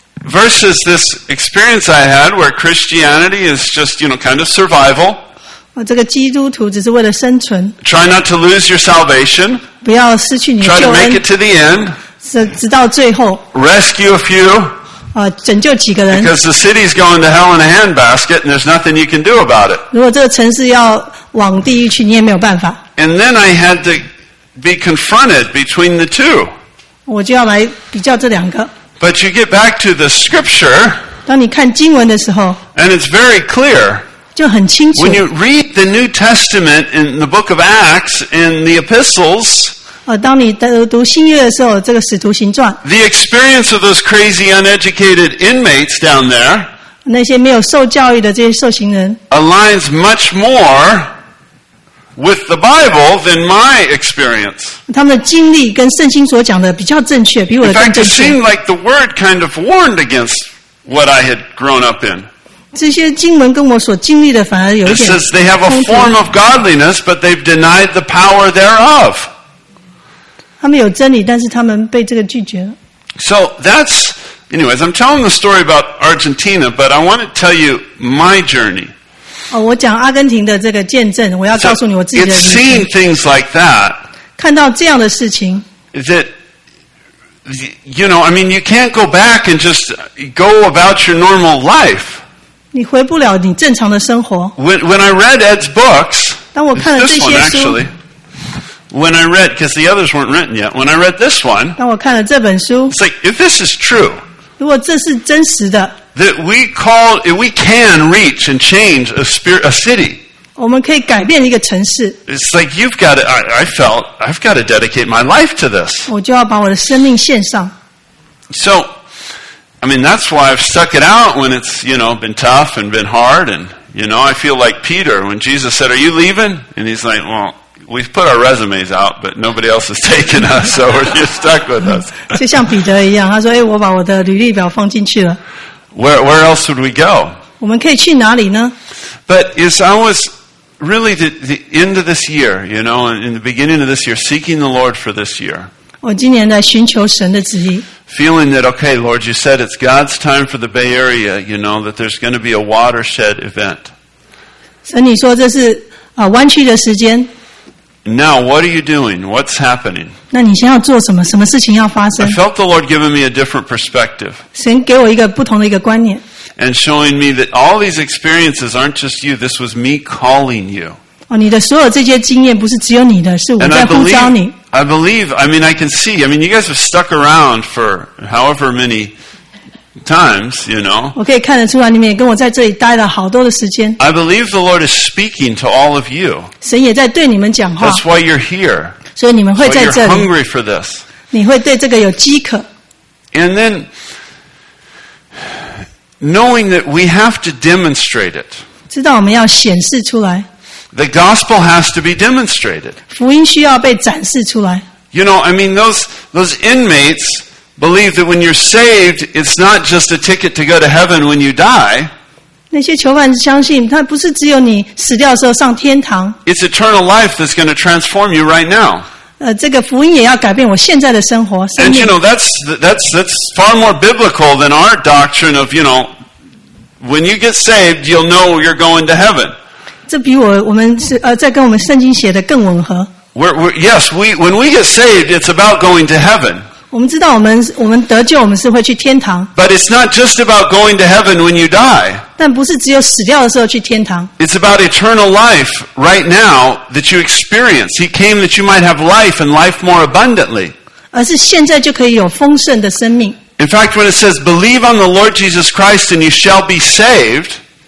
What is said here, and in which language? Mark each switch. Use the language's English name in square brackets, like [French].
[English] Versus this experience I had where Christianity is just, you know, kind of survival. [Chinese] 这个基督徒只是为了生存。 [English] Try not to lose your salvation. [Chinese] 不要失去你的救恩。 [English] Try to make it to the end. [Chinese] 直到最后。 [English] Rescue a few. [Chinese] 拯救几个人。 [English] Because the city's going to hell in a handbasket and there's nothing you can do about it. [Chinese] 如果这个城市要往地狱去你也没有办法。 [English] And then I had to be confronted between the two. [Chinese] 我就要来比较这两个。 [English] But you get back to the scripture. [Chinese] 当你看经文的时候。 [English] And it's very clear. [Chinese] 就很清楚。 [English] When you read the New Testament in the book of Acts in the epistles, [Chinese] 当你读新约的时候，这个使徒行传。 [English] The experience of those crazy uneducated inmates down there, [Chinese] 那些没有受教育的这些受刑人。 [English] Aligns much more with the Bible than my experience. [Chinese] 他们的经历跟圣经所讲的比较正确，比我的更正确。 [English] In fact, it seemed like the word kind of warned against what I had grown up in. [Chinese] 这些经文跟我所经历的反而有一点冲突。 [English] They have a form of godliness, but they've denied the power thereof. [Chinese] 他们有真理，但是他们被这个拒绝了。 [English] So that's, anyways, I'm telling the story about Argentina, but I want to tell you my journey. [Chinese] 我讲阿根廷的这个见证，我要告诉你我自己的旅程。 [English] It's seeing things like that. [Chinese] 看到这样的事情。 [English] That, you can't go back and just go about your normal life. [Chinese] 你回不了你正常的生活。 [English] When I read Ed's books, [Chinese] 当我看了这些书 [English] this one actually, when I read, because the others weren't written yet, when I read this one, [Chinese] 当我看了这本书 [English] it's like, if this is true, [Chinese] 如果这是真实的 [English] that we can reach and change a city, [Chinese] 我们可以改变一个城市 [English] it's like, you've got to, I felt, I've got to dedicate my life to this. [Chinese] 我就要把我的生命献上。 [English] So,that's why I've stuck it out when it's, been tough and been hard. And, I feel like Peter when Jesus said, are you leaving? And he's like, well, we've put our resumes out, but nobody else has taken us, so you're stuck with us. [Chinese] 就像彼得一样，他说，哎，我把我的履历表放进去了。 [English] Where else would we go? [Chinese] 我们可以去哪里呢？ [English] But as I was really the end of this year, in the beginning of this year, seeking the Lord for this year. [Chinese] 我今年在寻求神的旨意。 [English] Feeling that, okay, Lord, you said it's God's time for the Bay Area, that there's going to be a watershed event. [Chinese] 神，你说这是弯曲的时间。 [English] Now, what are you doing? What's happening? [Chinese] 那你现在要做什么？什么事情要发生？ [English] I felt the Lord giving me a different perspective. [Chinese] 神给我一个不同的一个观念。 [English] And showing me that all these experiences aren't just you, this was me calling you. [Chinese] 你的所有这些经验不是只有你的，是我在呼召你。 [English] I believe, I can see, you guys have stuck around for however many times, [Chinese] 我可以看得出来，你们也跟我在这里待了好多的时间。 [English] I believe the Lord is speaking to all of you. [Chinese] 神也在对你们讲话。 [English] That's why you're here. [Chinese] 所以你们会在这里。 [English] You're hungry for this. [Chinese] 你会对这个有饥渴。 [English] And then, knowing that we have to demonstrate it. [Chinese] 知道我们要显示出来。 [English] The gospel has to be demonstrated. [Chinese] 福音需要被展示出来。 [English] Those inmates believe that when you're saved, it's not just a ticket to go to heaven when you die. [Chinese] 那些囚犯相信，他不是只有你死掉的时候上天堂。 [English] It's eternal life that's going to transform you right now. [Chinese] 这个福音也要改变我现在的生活。 [English] And that's far more biblical than our doctrine of, when you get saved, you'll know you're going to heaven. [Chinese] 这比我们是在跟我们圣经写的更吻合。 [English] When we get saved, it's about going to heaven. But it's not just about going to heaven when you die. It's about eternal life right now that you experience. He came that you might have life and life more abundantly. In fact, when it says, believe on the Lord Jesus Christ and you shall be saved,